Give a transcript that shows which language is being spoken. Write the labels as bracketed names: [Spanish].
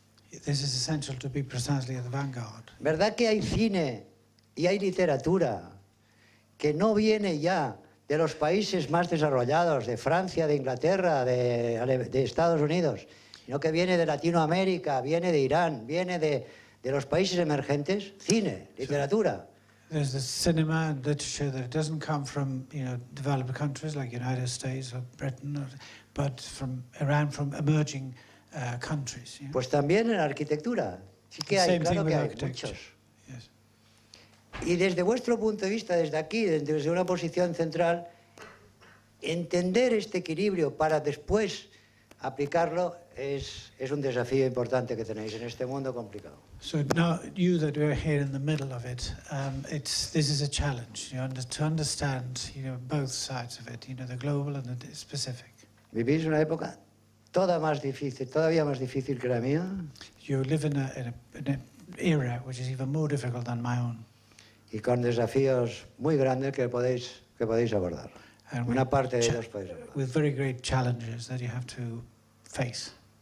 [English] This is essential to be precisely at the vanguard. [Spanish] ¿Verdad que hay cine y hay literatura que no viene ya de los países más desarrollados, de Francia, de Inglaterra, de Estados Unidos, sino que viene de Latinoamérica, viene de Irán, viene de los países emergentes? Cine, literatura. [English] So, there's the cinema and literature that doesn't come from, developed countries like United States or Britain, but from around from emerging countries. You know? [Spanish] Pues también en arquitectura. Sí que [English] same [Spanish] hay, claro [English] with [Spanish] hay [English] architecture. [Spanish] Muchos. [English] Yes. [Spanish] Y desde vuestro punto de vista, desde aquí, desde una posición central, entender este equilibrio para después aplicarlo es un desafío importante que tenéis en este mundo complicado. [English] So now you that are here in the middle of it, this is a challenge. To understand, both sides of it, the global and the specific. [Spanish] ¿Vivís una época toda más difícil, todavía más difícil que la mía? [English] You live in a era, which is even more difficult than my own. [Spanish] Y con desafíos muy grandes que podéis abordar. Una parte de los podéis abordar. [English] With very great challenges that you have to face.